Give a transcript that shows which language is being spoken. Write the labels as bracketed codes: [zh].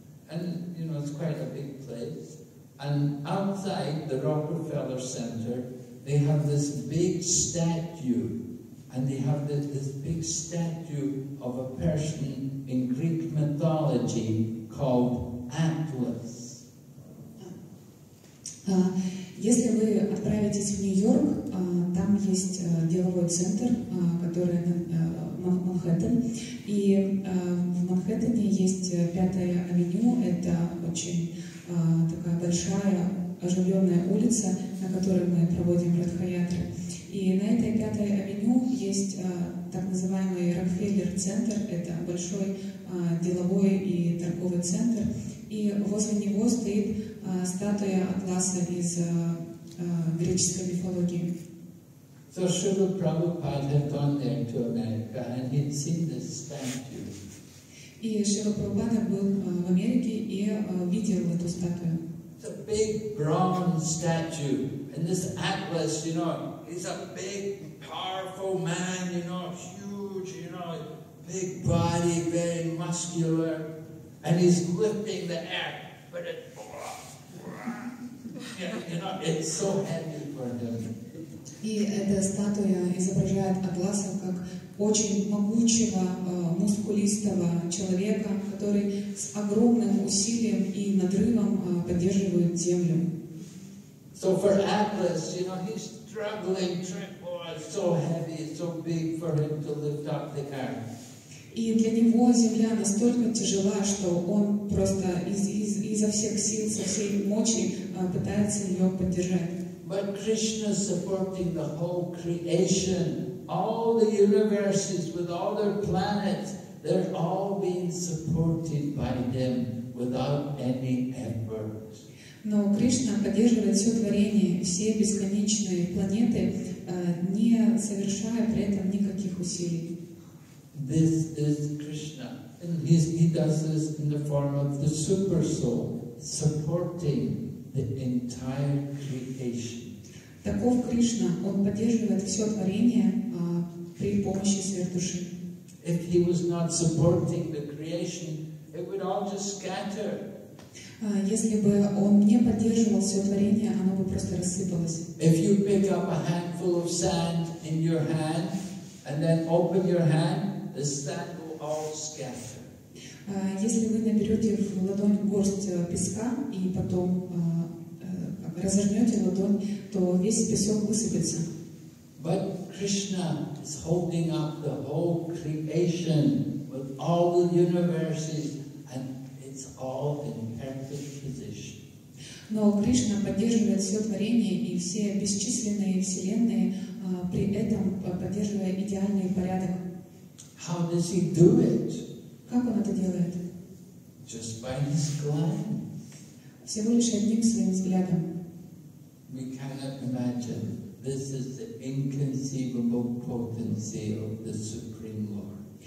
[en] And, you know, it's quite a big place. And outside the Rockefeller Center, they have this big statue, and they have this big statue of a person in Greek mythology called Atlas. [ru] Если вы отправитесь в Нью-Йорк, там есть деловой центр, который Манхэттен, и в Манхэттене есть Пятая Авеню, это очень такая большая оживленная улица, на которой мы проводим Радха-ятры. И на этой Пятой Авеню есть так называемый Рокфеллер-центр, это большой деловой и торговый центр. И возле него стоит статуя Атласа из греческой мифологии. [en] So Srila Prabhupada had gone there to America and he'd seen this statue. [ru] И Шрила Прабхупада был в Америке и видел эту статую. [en] It's a big bronze statue. And this Atlas, you know, he's a big, powerful man, you know, huge, you know, big body, very muscular. And he's lifting the earth, but it's it's so heavy for him. [ru] И эта статуя изображает Атласа как очень могучего, мускулистого человека, который с огромным усилием и надрывом поддерживает землю. [en] So for Atlas, you know, he's struggling, so heavy, so big for him to lift up the car. [ru] И для него земля настолько тяжела, что он просто изо всех сил, со всей мочи пытается ее поддержать. [en] But Krishna is supporting the whole creation, all the universes with all their planets, they're all being supported by them without any effort. [ru] Но Кришна поддерживает все творение, все бесконечные планеты, не совершая при этом никаких усилий. [en] This is Krishna. And he does this in the form of the super soul, supporting the entire creation. [ru] Таков Кришна, он поддерживает все творение при помощи сверхдуши. [en] If he was not supporting the creation, it would all just scatter. [ru] Если бы он не поддерживал все творение, оно бы просто рассыпалось. [en] If you pick up a handful of sand in your hand and then open your hand, the sand will all scatter. [ru] Если вы наберете в ладонь горсть песка и потом разожмете ладонь, то весь песок высыпется. [en] But Krishna is holding up the whole creation with all the universes, and it's all in perfect position. [ru] Но Кришна поддерживает все творение и все бесчисленные вселенные, при этом поддерживая идеальный порядок. [en] How does he do it? [ru] Как он это делает? [en] just by his glance. [ru] Всего лишь одним своим взглядом. [en] We cannot imagine. This is the inconceivable potency of the Supreme Lord.